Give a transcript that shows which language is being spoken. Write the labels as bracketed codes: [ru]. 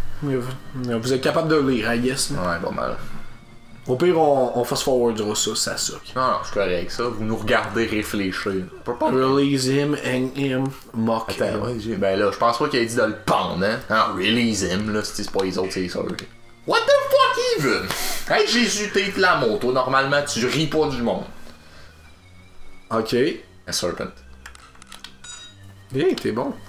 [fr] Vous êtes capable de lire, [en] I guess. [fr] Ouais, pas mal. Au pire, on fast-forwardera ça, ça suck. Non, je suis correct avec ça. Vous nous regardez réfléchir. [en] Release him, hang him, mock him. [fr] Attends, ouais, ben là, je pense pas qu'il ait dit de le pendre, hein. Non, [en] release him, [fr] là, si c'est pas les autres, c'est ça. Okay. [en] What the fuck even? [fr] Hey, Jésus, t'es flamant, toi, normalement, tu ris pas du monde. Ok. [en] A serpent. [fr] Hey, t'es bon.